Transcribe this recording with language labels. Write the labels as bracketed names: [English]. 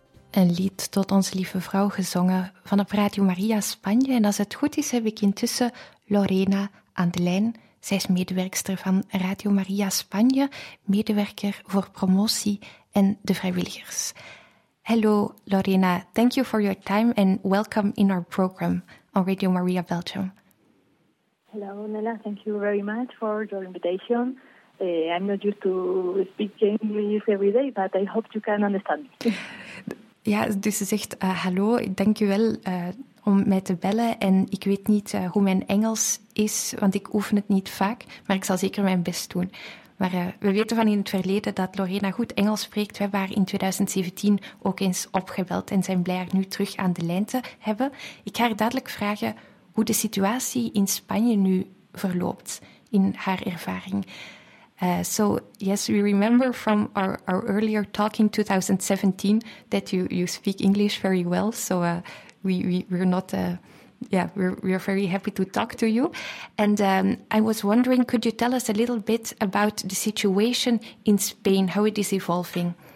[Dutch] een lied tot onze lieve vrouw gezongen van op Radio Maria Spanje. En als het goed is, heb ik intussen Lorena aan de lijn. Zij is medewerkster van Radio Maria Spanje, medewerker voor promotie en de vrijwilligers. [English] Hello, Lorena. Thank you for your time and welcome in our program on Radio Maria Belgium. Hello, Nella. Thank you very much for your invitation. I'm not used to speaking English every day, but I hope you can understand. [Dutch] Ja, dus ze zegt hallo, dank je wel om mij te bellen. En ik weet niet hoe mijn Engels is, want ik oefen het niet vaak, maar ik zal zeker mijn best doen. Maar we weten van in het verleden dat Lorena goed Engels spreekt. We hebben haar in 2017 ook eens opgebeld en zijn blij haar nu terug aan de lijn te hebben. Ik ga haar dadelijk vragen hoe de situatie in Spanje nu verloopt, in haar ervaring. [English] So, yes, we remember from our earlier talk in 2017 that you speak English very well. So we're very happy to talk to you. And I was wondering, could you tell us a little bit about the situation in Spain, how it is evolving?